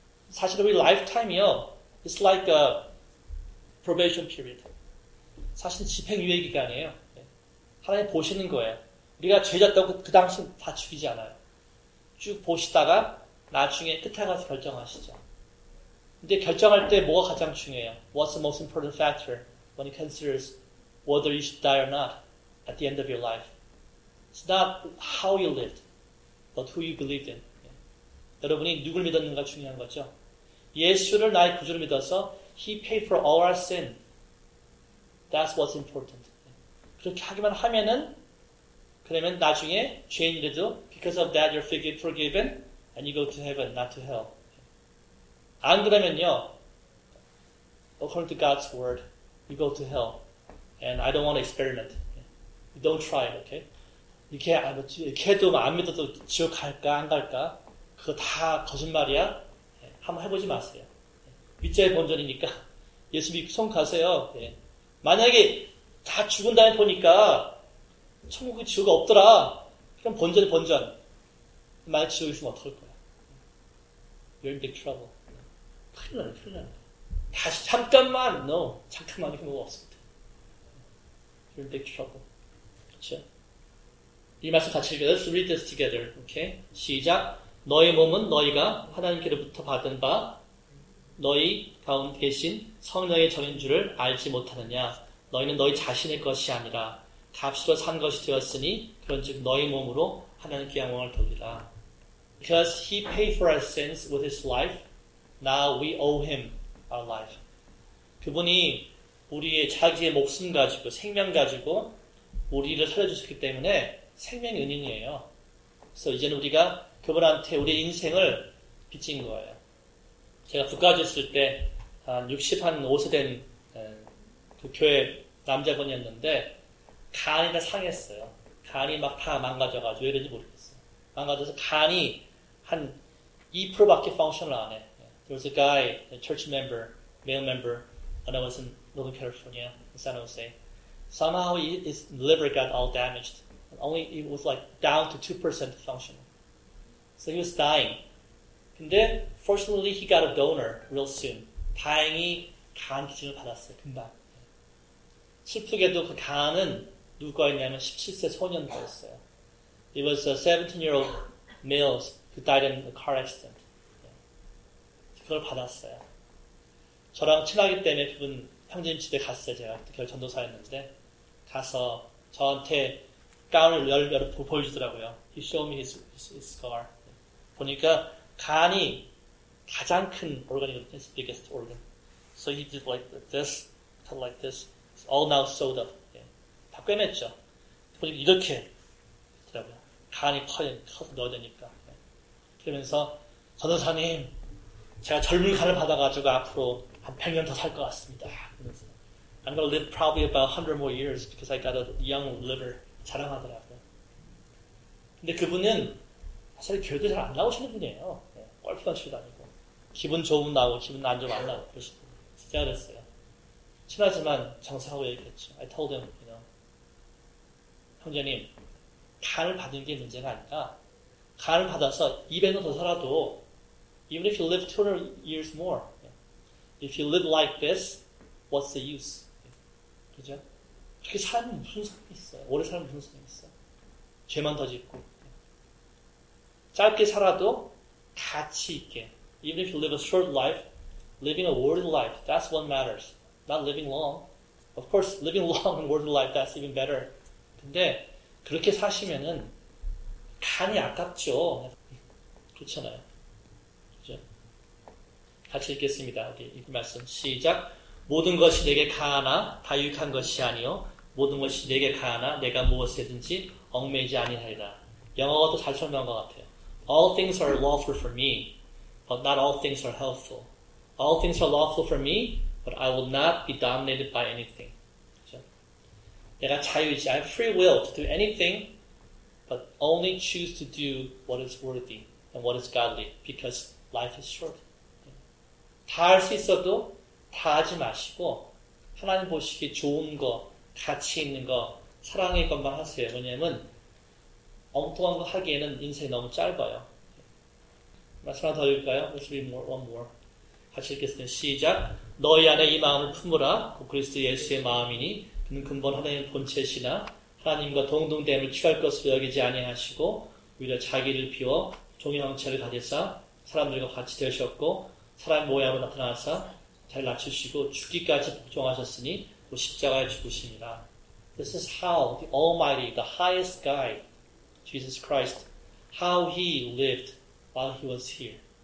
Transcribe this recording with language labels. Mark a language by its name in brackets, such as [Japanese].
[Korean] 사실 우리 [English] lifetime이요. It's like a probation period. [Korean] 사실 집행유예 기간이에요. 하나님 보시는 거예요. 우리가 죄졌다고 그 당시 다 죽이지 않아요. 쭉 보시다가 나중에 끝에 가서 결정하시죠. 근데 결정할 때 뭐가 가장 중요해요? [English] What's the most important factor when it considers whether you should die or not at the end of your life? It's not how you lived, but who you believed in. [Korean] 여러분이 누굴 믿었는가 중요한 거죠. 예수를 나의 구주로 믿어서 [English] He paid for all our sin. That's what's important. [Korean] 그렇게 하기만 하면은 그러면 나중에 죄인이라도 [English] because of that you're forgiven and you go to heaven, not to hell. [Korean] 안 그러면요, [English] according to God's word, you go to hell. And I don't want to experiment. You don't try it, okay? [Korean] 이렇게 해도 안 믿어도 지옥 갈까, 안 갈까? 그거 다 거짓말이야? 한번 해보지 마세요. 믿자의 본전이니까. 예수 믿고 손 가세요. 만약에 다 죽은 다음에 보니까 천국에 지옥이 없더라. 그럼 본전이 본전. 만약에 지옥이 있으면 어떨 거야? [English] You're in big trouble. [Korean] 큰일 나네, 큰일 나네. 다시, 잠깐만! No, 잠깐만, 이거 뭐 없습니다. [English] You're in big trouble. [Korean] 그쵸? 이 말씀 같이 읽어요. [English] Let's read this together. Okay? [Korean] 시작. 너의 몸은 너희가 하나님께로부터 받은 바, 너희 가운데 계신 성령의 전인 줄을 알지 못하느냐. 너희는 너희 자신의 것이 아니라, 값으로 산 것이 되었으니, 그런 즉 너희 몸으로 하나님께 영광을 돌리라. [English] Because he paid for our sins with his life, now we owe him our life. [Korean] 그분이 우리의 자기의 목숨 가지고, 생명 가지고, 우리를 살려주셨기 때문에 생명의 은인이에요. 그래서 이제는 우리가 그분한테 우리의 인생을 빚진 거예요. 제가 국가에 있을 때, 한 65세 된 그 교회 남자분이었는데, 간이 다 상했어요. 간이 막 다 망가져가지고, 왜 그런지 모르겠어요. 망가져서 간이 한 2%밖에 펑션을 안 해. [English] There was a guy, a church member, male member, and I was in Northern California, in San Jose. Somehow his liver got all damaged. Only it was like down to 2% function. So he was dying. 근데, fortunately, he got a donor real soon. [Korean] 다행히 간 기증을 받았어요, 금방. 슬프게도 그 간은 누구였냐면 17세 소년이었어요. [English] It was a 17-year-old male who died in a car accident. [Korean] 그걸 받았어요. 저랑 친하기 때문에 그분 형제님 집에 갔어요. 제가 그걸 전도사였는데 가서 저한테 가운을 열 보여주더라고요. [English] He showed me his scar. [Korean] 보니까 간이 가장 큰 organ이거든요. [English] His biggest organ. So he did like this, cut like this. It's all now sewed up. [Korean] 다 꿰맸죠. 보니까 이렇게 있더라고요. 간이 커서 넣어야 되니까. 그러면서 전도사님 제가 젊은 간을 받아가지고 앞으로 한 100년 더 살 것 같습니다. [English] I'm going to live probably about 100 more years because I got a young liver. [Korean] 자랑하더라고요. 근데 그분은 사실 교회도 잘 안 나오시는 분이에요. 골프만 치고 다니고. 기분 좋으면 나오고 기분 안 좋으면 안 나오고 그러시고. 진짜 그랬어요. 친하지만 정상하고 얘기했죠. [English] I told him, you know. [Korean] 형제님, 간을 받은 게 문제가 아니라 간을 받아서 200년 더 살아도 [English] Even if you live 200 years more, if you live like this, what's the use? [Korean] 그죠? 그렇게 살면 무슨 소용이 있어요? 오래 살면 무슨 소용이 있어요? 죄만 더 짓고. 짧게 살아도 가치 있게. [English] Even if you live a short life, living a worthy life, that's what matters. Not living long. Of course, living long and worthy life, that's even better. [Korean] 근데 그렇게 사시면은 간이 아깝죠. 그렇잖아요. 같이 읽겠습니다. 이 말씀 시작. 모든 것이 내게 가하나 다 유익한 것이 아니요 모든 것이 내게 가하나 내가 무엇이든지 얽매이지 아니하리라. 영어가 더 잘 설명한 것 같아요. [English] All things are lawful for me, but not all things are helpful. All things are lawful for me, but I will not be dominated by anything. [Korean] 그렇죠? 내가 자유이지. [English] I have free will to do anything, but only choose to do what is worthy and what is godly, because life is short. [Korean] 다 할 수 있어도 다 하지 마시고 하나님 보시기 좋은 거, 가치 있는 거, 사랑의 것만 하세요. 왜냐하면 엉뚱한 거 하기에는 인생이 너무 짧아요. 말씀 하나 더 읽을까요? [English] Let's read more, one more. [Korean] 같이 읽겠습니다. 시작! 너희 안에 이 마음을 품으라. 곧 그리스도 예수의 마음이니 그는 근본 하나님의 본체시나 하나님과 동등됨을 취할 것으로 여기지 아니하시고 오히려 자기를 비워 종의 형체를 가지사 사람들과 같이 되셨고 사람의 모양으로 나타나사 잘 낮추시고 죽기까지 복종하셨으니 곧 십자가에 죽으십니다. [English] This is how the Almighty, the highest guy, Jesus Christ, how he lived while he was here.